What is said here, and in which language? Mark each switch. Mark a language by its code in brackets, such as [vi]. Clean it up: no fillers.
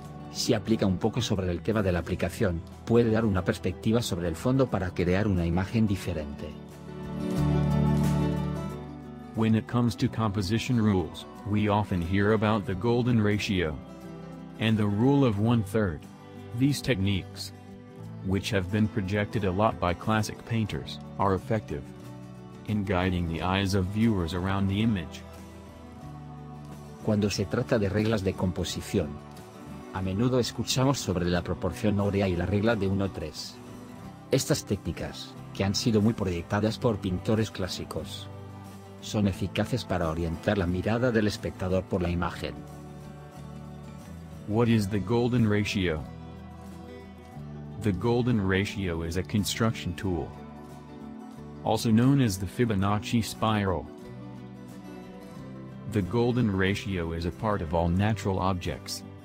[es] Si aplica un poco sobre el tema de la aplicación, puede dar una perspectiva sobre el fondo para crear una imagen diferente. [en] When it comes to composition rules, we often hear about the golden ratio and the rule of one-third. These techniques, which have been projected a lot by classic painters, are effective in guiding the eyes of viewers around the image. [es] Cuando se trata de reglas de composición, a menudo escuchamos sobre la proporción áurea y la regla de 1:3. Estas técnicas, que han sido muy proyectadas por pintores clásicos, son eficaces para orientar la mirada del espectador por la imagen. [en] What is the golden ratio? The golden ratio is a construction tool, also known as the Fibonacci spiral. The golden ratio is a part of all natural objects.